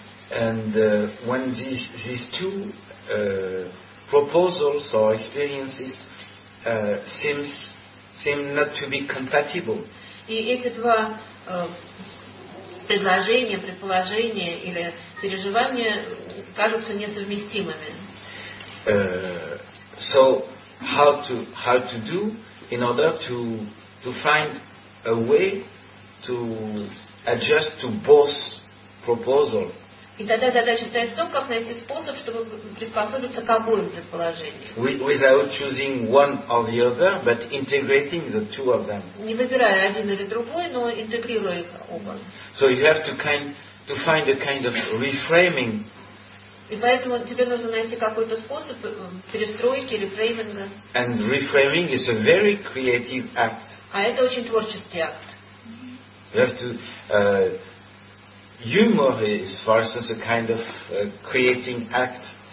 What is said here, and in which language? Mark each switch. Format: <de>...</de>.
<en>And when these two proposals or experiences seem not to be compatible.</en> <ru>И эти два предложения, предположения или переживания кажутся несовместимыми.</ru> <en>How to do in order to find a way to adjust to both proposals.</en> <ru>И тогда задача стоит в том, как найти способ, чтобы приспособиться к обоим предположениям.</ru> <en>Without choosing one or the other, but integrating the two of them.</en> <ru>Не выбирая один или другой, но интегрируя их оба.</ru> <en>So you have to find a kind of reframing.</en> <ru>И поэтому тебе нужно найти какой-то способ перестройки, рефрейминга.</ru> <en>And reframing is a very creative act.</en> <ru>А это очень творческий акт.</ru> <en>You have to, humor is, for instance, a kind of creating act.</en>